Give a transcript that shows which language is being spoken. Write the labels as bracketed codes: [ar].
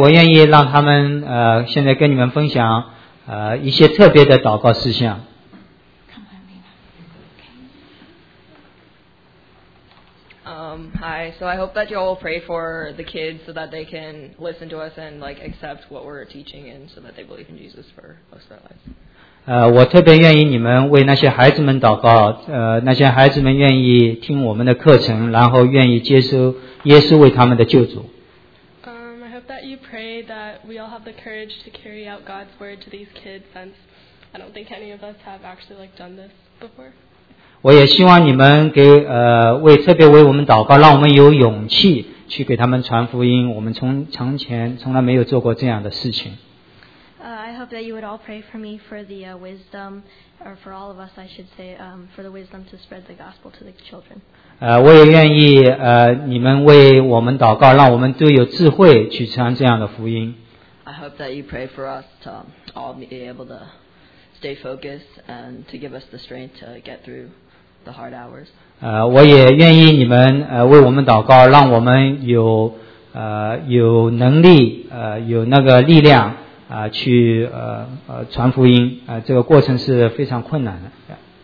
[zh] 我愿意让他们现在跟你们分享。一些特别的祷告事项。 [en] Hi. So I hope that you all pray for the kids so that they can listen to us and like accept what we're teaching and so that they believe in Jesus for most of their lives. [zh] 我特别愿意你们为那些孩子们祷告，那些孩子们愿意听我们的课程，然后愿意接受耶稣为他们的救主。 [en] I hope that you pray that we all have the courage to carry out God's word to these kids, since I don't think any of us have actually like done this before. [zh] 我也希望你们给为特别为我们祷告，让我们有勇气去给他们传福音。我们从前从来没有做过这样的事情。 [en] I hope that you would all pray for me for the wisdom, or for all of us, I should say, for the wisdom to spread the gospel to the children. [zh] 我也愿意你们为我们祷告，让我们都有智慧去传这样的福音。 [en] I hope that you pray for us to all be able to stay focused and to give us the strength to get through the hard hours. [zh] 我也愿意你们为我们祷告，让我们有能力有那个力量。去传福音这个过程是非常困难的。